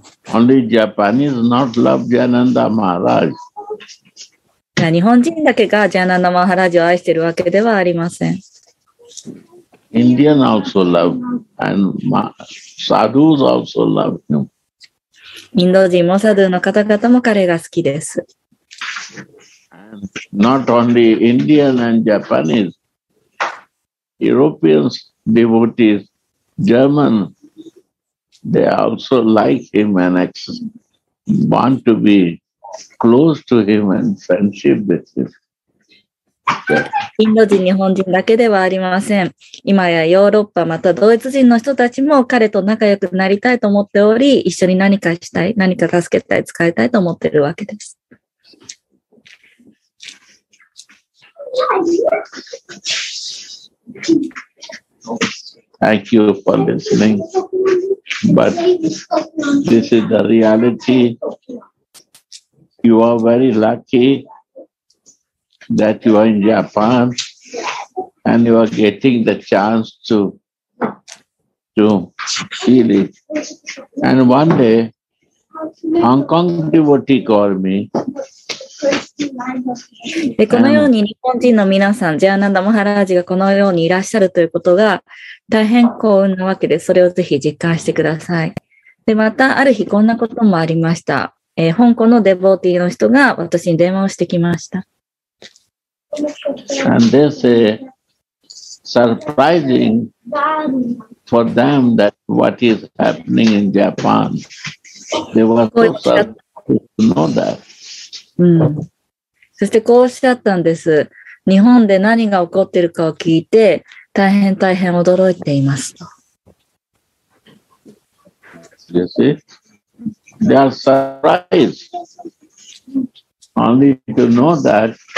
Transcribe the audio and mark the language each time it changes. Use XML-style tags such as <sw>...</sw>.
<en>Only Japanese not love Jananda Maharaj.</en> <ja>日本人だけがジャーナンダ・マハラージを愛しているわけではありません。</ja> <en>Indian also love, and sadhus also love him.</en> <ja>インド人モサドゥの方々も彼が好きです。</ja> <en>Not only Indian and Japanese, European devotees, German, they also like him and want to be close to him and friendship with him.</en> <ja>インド人、日本人だけではありません。今やヨーロッパ、またドイツ人の人たちも彼と仲良くなりたいと思っており、一緒に何かしたい、何か助けたい、使いたいと思っているわけです。</ja> <en>Thank you for listening. But this is the reality. You are very lucky. That you are in Japan and you are getting the chance to feel it. And one day, Hong Kong devotee called me.</en> <ja>で、このように日本人の皆さん、ジャーナンダ・マハラージがこのようにいらっしゃるということが大変幸運なわけです。それをぜひ実感してください。で、またある日こんなこともありました。香港のデボーティーの人が私に電話をしてきました。</ja> <en>And they say, surprising for them that what is happening in Japan. They were so surprised to know that.</en> <ja>そしてこうおっしゃったんです。日本で何が起こっているかを聞いて、大変大変驚いています。</ja> <en>You see? They are surprised only to know that.</en>